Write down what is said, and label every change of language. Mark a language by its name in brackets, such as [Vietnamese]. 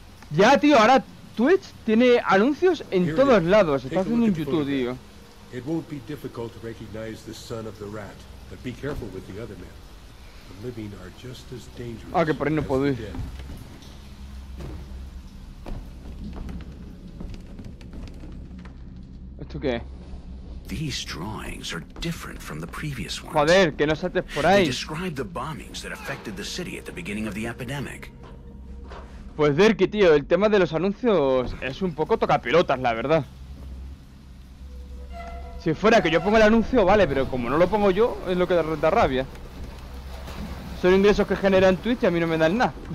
[Spanish] Ya, tío, ahora Twitch tiene anuncios en todos lados. Está haciendo un YouTube, tío. [English] It won't be difficult to recognize the son of the rat, but be careful with the other men. The living are just as dangerous. [Spanish] Ah, que por ahí no puedo ir. ¿Esto qué? [English] These drawings are different from the previous ones. [Spanish] Joder, que no saltes por ahí. [English] They describe the bombings that affected the city at the beginning of the epidemic. [Spanish] Pues Derky, tío, el tema de los anuncios es un poco tocapelotas, la verdad. Si fuera que yo ponga el anuncio, vale, pero como no lo pongo yo, es lo que da rabia. Son ingresos que generan Twitch y a mí no me dan nada.